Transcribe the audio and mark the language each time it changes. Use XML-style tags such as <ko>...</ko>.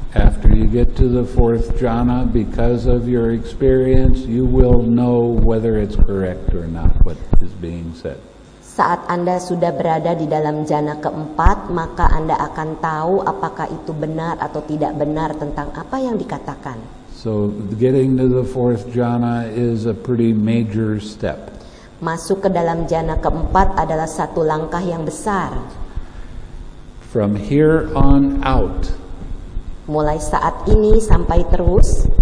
<en>After you get to the fourth jhana, because of your experience, you will know whether it's correct or not what is being said.</en> <id>Saat Anda sudah berada di dalam jhana keempat, maka Anda akan tahu apakah itu benar atau tidak benar tentang apa yang dikatakan.</id> <en>So, getting to the fourth jhana is a pretty major step.</en> <id>Masuk ke dalam jhana keempat adalah satu langkah yang besar.</id> <en>From here on out,</en> <id>mulai saat ini sampai terus,</id>